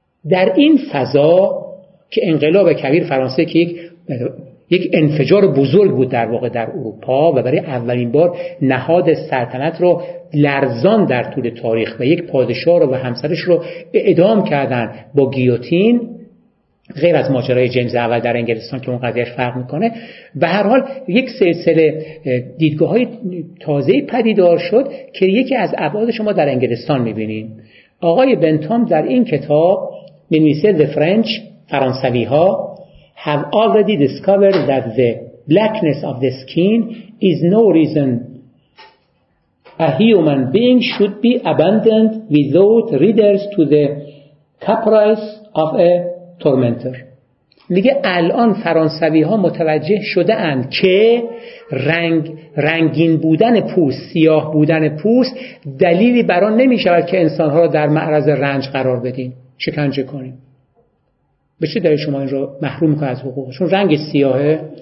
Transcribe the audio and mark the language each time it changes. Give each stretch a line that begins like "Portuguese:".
Persian: در این فضا که انقلاب کبیر فرانسه که یک انفجار بزرگ بود در واقع در اروپا و برای اولین بار نهاد سلطنت رو لرزان در طول تاریخ و یک پادشاه رو و همسرش رو اعدام کردن با گیوتین، غیر از ماجرای جیمز اول در انگلستان که اون قضیه فرق میکنه، و هر حال یک سلسله دیدگاه های تازهی پدیدار شد که یکی از ابعاد شما در انگلستان میبینیم. آقای بنتام در این کتاب می‌نویسه
English: The French،
Persian: فرانسوی ها،
English: have already discovered that the blackness of the skin is no reason a human being should be abandoned without readers to the caprice of a tormentor.
Persian: میگه الان فرانسوی ها متوجه شده اند که رنگین بودن پوست، سیاه بودن پوست، دلیلی برای نمی شود که انسان ها را در معرض رنج قرار بدیم، شکنجه کنیم. به چه دلیل شما این رو محروم میکنه از حقوق؟ چون رنگ سیاهه.